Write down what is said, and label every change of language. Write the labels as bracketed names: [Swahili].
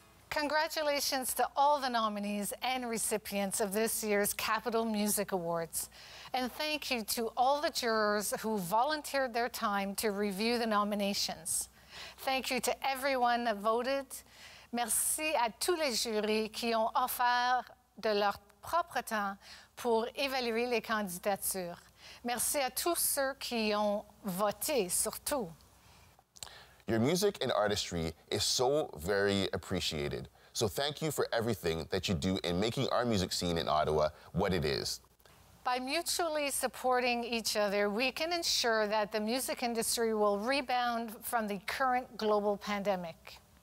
[English] Congratulations to all the nominees and recipients of this year's Capitol Music Awards. And thank you to all the jurors who volunteered their time to review the nominations. Thank you to everyone that voted. [French] Merci à tous les jurys qui ont offert de leur propre temps pour évaluer les candidatures. Merci à tous ceux qui ont voté, surtout. [English] Your music and artistry is so very appreciated. So thank you for everything that you do in making our music scene in Ottawa what it is. By mutually supporting each other, we can ensure that the music industry will rebound from the current global pandemic.